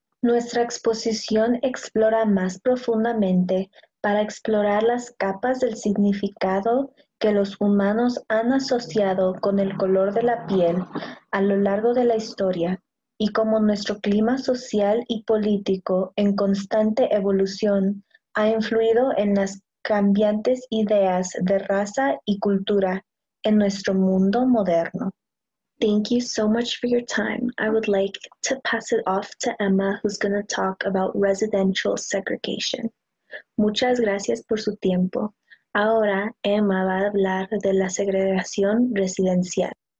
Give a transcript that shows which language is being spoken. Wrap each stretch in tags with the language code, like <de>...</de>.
<es>Nuestra exposición explora más profundamente para explorar las capas del significado que los humanos han asociado con el color de la piel a lo largo de la historia y cómo nuestro clima social y político en constante evolución ha influido en las cambiantes ideas de raza y cultura en nuestro mundo moderno.</es> <en>Thank you so much for your time. I would like to pass it off to Emma, who's going to talk about residential segregation.</en> <es>Muchas gracias por su tiempo. Ahora, Emma va a hablar de la segregación residencial.</es>